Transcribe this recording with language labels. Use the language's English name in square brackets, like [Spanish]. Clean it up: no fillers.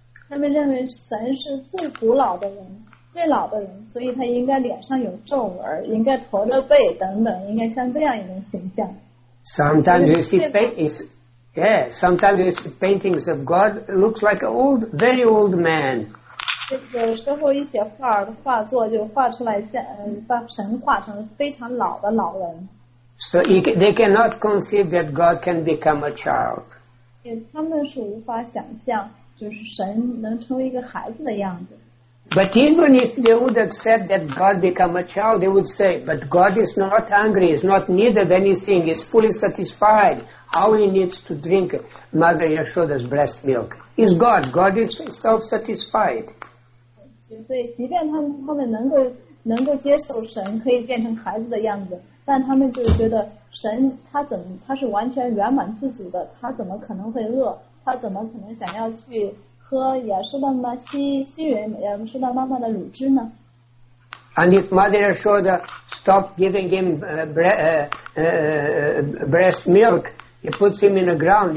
[Chinese] 他们认为神是最古老的人，最老的人，所以他应该脸上有皱纹，应该驼着背等等，应该像这样一种形象。 [English] Sometimes you see sometimes you see paintings of God looks like an old, very old man. [Chinese] 有时候一些画画作就画出来像把神画成非常老的老人。 [English] So they cannot conceive that God can become a child. [Chinese] 他们是无法想象。就是神能成为一个孩子的样子。 [English] But even if they would accept that God become a child, they would say, but God is not hungry, is not needed anything, is fully satisfied. How he needs to drink Mother Yashoda's breast milk? Is God? God is self-satisfied. [Chinese] 所以即便他们能够接受神可以变成孩子的样子，但他们就觉得神他是完全圆满自足的，他怎么可能会饿？他怎么可能想要去喝亚述的妈亚述的妈妈的乳汁呢？ [English] And if Mother Yashoda stopped giving him breast milk, he puts him in the ground.